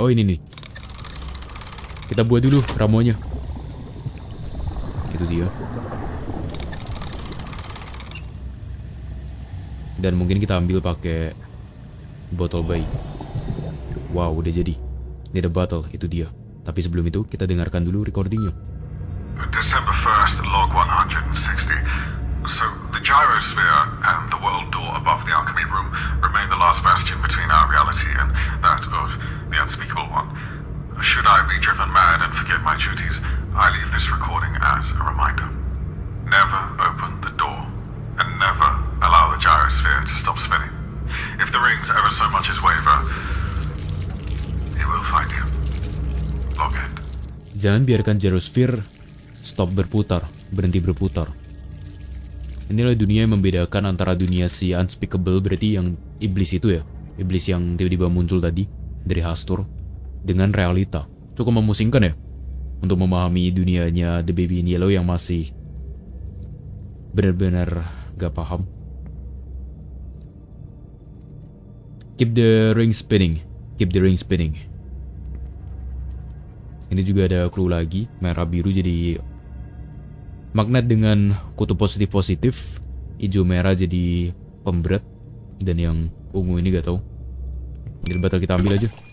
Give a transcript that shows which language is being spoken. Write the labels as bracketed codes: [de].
[id] Oh ini nih, kita buat dulu ramonya. Itu dia. Dan mungkin kita ambil pakai botol bayi. Wow, udah jadi. Ini ada bottle, itu dia. Tapi sebelum itu, kita dengarkan dulu recordingnya. [en] December 1st, log 160. So, the gyrosphere and the world door above the alchemy room remain the last bastion between our reality and that of the unspeakable one. Should I be driven mad and forget my duties, I leave this recording as a reminder. Never open the door, and never allow the gyrosphere to stop spinning. If the rings ever so much as waver, it will find you. Log end. [id] Jangan biarkan gyrosphere stop berputar, berhenti berputar. Inilah dunia yang membedakan antara dunia si unspeakable, berarti yang iblis itu ya, iblis yang tiba-tiba muncul tadi dari Hastur, dengan realita. Cukup memusingkan ya untuk memahami dunianya The Baby in Yellow yang masih benar-benar gak paham. [en] Keep the ring spinning, keep the ring spinning. [id] Ini juga ada clue lagi, merah biru jadi magnet dengan kutub positif positif, hijau merah jadi pemberat, dan yang ungu ini gak tahu. Jadi batal kita ambil aja.